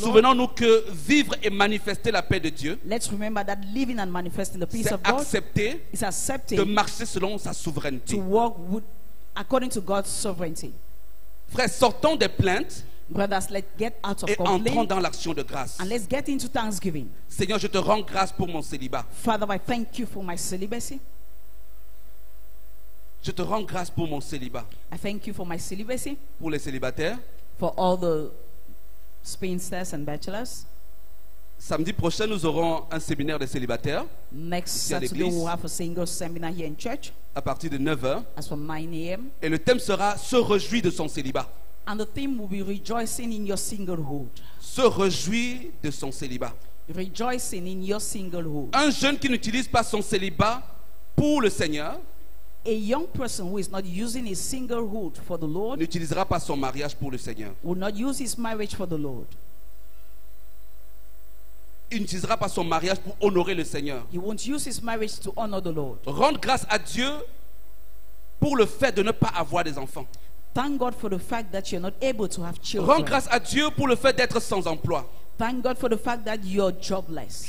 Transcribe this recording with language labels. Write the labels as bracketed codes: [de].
[fr] Souvenons-nous que vivre et manifester la paix de Dieu. [en] Let's remember that living and manifesting the peace of God. [fr] C'est accepter. [en] Is accepting. [fr] De marcher selon sa souveraineté. [en] To walk with, according to God's sovereignty. [fr] Frères, sortons des plaintes. [en] Brothers, let's get out of [fr] et entrons dans l'action de grâce. [en] And let's get into thanksgiving. [fr] Seigneur, je te rends grâce pour mon célibat. [en] Father, I thank you for my celibacy. [fr] Je te rends grâce pour mon célibat. [en] I thank you for my celibacy. [fr] Pour les célibataires. [en] For all the spinsters and bachelors. [fr] Samedi prochain, nous aurons un séminaire des célibataires. [en] Next Saturday, we'll have a single seminar here in church. [fr] À partir de 9h. [en] As for 9 a.m. [fr] Et le thème sera se réjouir de son célibat. [en] And the theme will be rejoicing in your singlehood. [fr] Se réjouir de son célibat. [en] Rejoicing in your singlehood. [fr] Un jeune qui n'utilise pas son célibat pour le Seigneur. [en] A young person who is not using his singlehood for the Lord. [fr] N'utilisera pas son mariage pour le Seigneur. [en] Will not use his marriage for the Lord. [fr] Il n'utilisera pas son mariage pour honorer le Seigneur. [en] He won't use his marriage to honor the Lord. [fr] Rendre grâce à Dieu pour le fait de ne pas avoir des enfants. [en] Thank God for the fact that you're not able to have children. [fr] Rendre grâce à Dieu pour le fait d'être sans emploi. [en] Thank God for the fact that you're jobless.